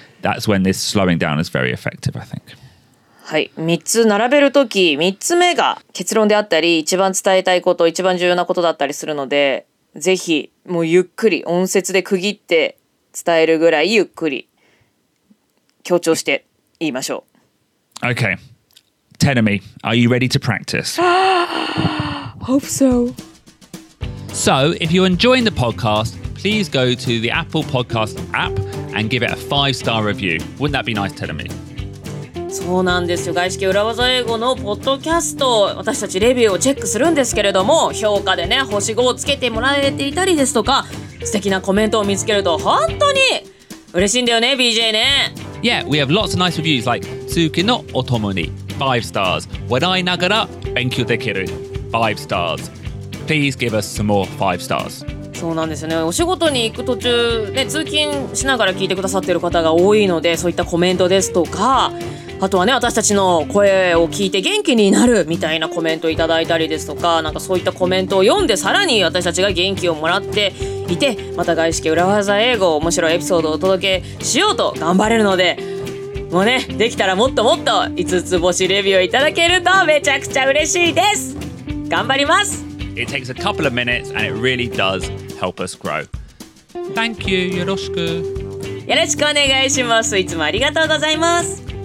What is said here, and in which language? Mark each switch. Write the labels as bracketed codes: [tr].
[en] That's when this slowing down is very effective, I think. [ja] はい、三つ並べるとき、三つ目が結論であったり、一番伝えたいこと、一番重要なことだったりするので、ぜひもうゆっくり音節で区切って伝えるぐらいゆっくり強調して言いましょう。 [en] Okay. Tenemy, are you ready to practice? Hope so. So, if you're enjoying the podcast, please go to the Apple Podcast app and give it a 5-star review. Wouldn't that be nice, Tenemy? [ja] そうなんですよ。外資系裏技英語のポッドキャスト、私たちレビューをチェックするんですけれども、評価でね星5をつけてもらえていたりですとか、素敵なコメントを見つけると本当に嬉しいんだよね、 BJ ね。 [en] Yeah, we have lots of nice reviews like [ja] 通勤のお供に [en] 5 stars [ja] 笑いながら勉強できる [en] 5 stars Please give us some more 5 stars。 [ja] そうなんですよね、お仕事に行く途中、ね、通勤しながら聞いてくださっている方が多いので、そういったコメントですとか、あとはね私たちの声を聞いて元気になるみたいなコメントをいただいたりですとか、なんかそういったコメントを読んでさらに私たちが元気をもらっていて、また外資系裏技英語面白いエピソードをお届けしようと頑張れるので、もうねできたらもっともっと5つ星レビューをいただけるとめちゃくちゃ嬉しいです。頑張ります。 [en] It takes a couple of minutes and it really does help us grow. Thank you. [ja] よろしく。よろしくお願いします。いつもありがとうございます。